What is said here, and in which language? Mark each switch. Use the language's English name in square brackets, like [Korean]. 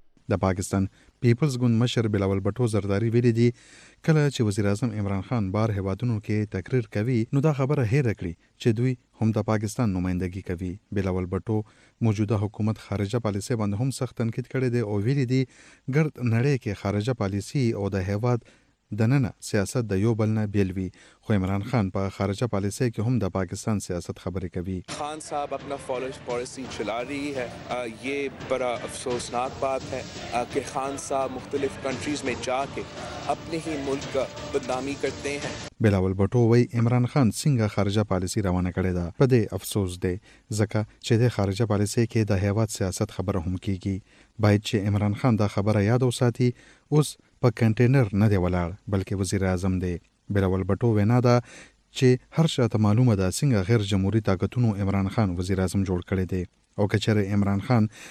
[Pashto] د پاکستان پیپلز ګوند مشر بلاول بټو زرداری ویلي دي کله چې وزیر اعظم عمران خان بار هیوادونو کې تقریر کوي نو دا خبره هېر کړي چې دوی هم د پاکستان نمائندګي کوي بلاول بټو موجوده حکومت خارجه پالیسي باندې هم سخت تنقید کړی دی او ویلي دي ګرد نړۍ کې خارجه پالیسي او د هیواد دننه سیاست د یو بل نه بیل وی خو عمران خان په خارجه پالیسی کې هم د پاکستان سیاست خبرې کوي [Urdu] خان صاحب خپل فالوش پالیسی چلا رہی ہے یہ بڑا افسوسناک بات ہے کہ خان صاحب مختلف کنٹریز میں جا کے اپنے ہی ملک کا بدنامی کرتے ہیں [Pashto] بلاول بٹو وی عمران خان څنګه خارجه پالیسی روانه کړی دا په دې افسوس دی ځکه چې د خارجه پالیسی کې د هیواد سیاست خبره هم کیږي باید چې عمران خان دا خبره یاد وساتي اوس په کنټینر نه دی ولاړ بلکې وزیر اعظم دی بلاول بټو وینا ده چې هر شاته معلومه ده څنګه غیر جمهوریت طاقتونو عمران خان وزیر اعظم جوړ کړی دی او کچر عمران خان